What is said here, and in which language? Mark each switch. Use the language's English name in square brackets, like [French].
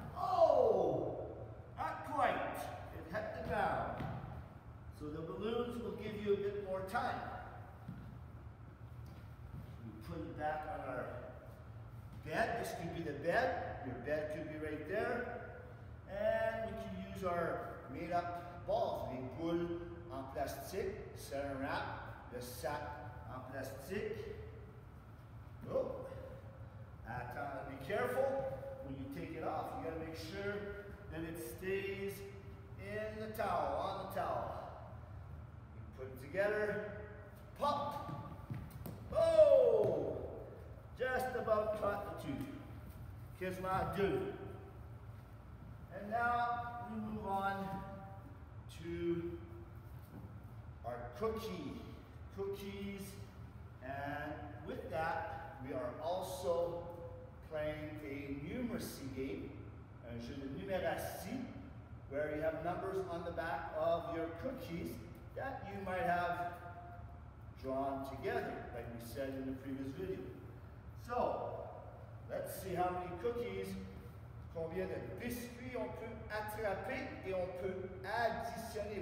[English] Oh! Not quite. It hit the ground. So the balloons will give you a bit more time. We put it back on our bed. This could be the bed. Your bed could be right there. And we can use our made-up balls. [French] Les boules en plastique, [English] saran wrap, [French] le sac en plastique. [English] Oh, [French] attends, [English] be careful when you take it off. You gotta make sure that it stays in the towel, on the towel. You put it together, pop. Oh, just about caught the tube. Here's my dude. And now we move on to our cookies. And with that, we are also playing a numeracy game, [French] un jeu de numératie, [English] where you have numbers on the back of your cookies that you might have drawn together, like we said in the previous video. So, let's see how many cookies. [French] Combien de biscuits on peut attraper et on peut additionner.